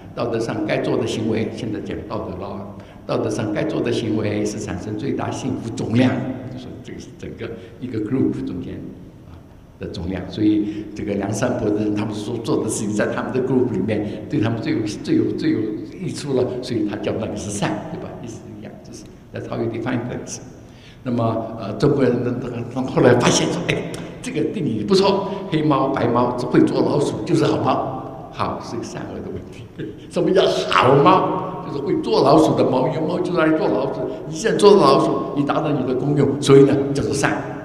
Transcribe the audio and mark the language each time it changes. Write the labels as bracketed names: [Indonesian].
[Chinese] 道德上该做的行为，现在讲道德了，道德上该做的行为是产生最大幸福总量，就是这个是整个一个 group 中间的总量。所以这个梁山伯的人，他们说做的事情在他们的 group 里面对他们最有益处了，所以他叫那个是善，对吧？意思一样，就是 [English] that's how you define things。 [Chinese] 那么中国人后来发现说，哎，这个定义不错，黑猫白猫只会捉老鼠就是好猫，好是个善恶的问题。什么叫好猫？就是会捉老鼠的猫，有猫就来捉老鼠，你现在捉了老鼠，你达到你的功用，所以呢叫做善。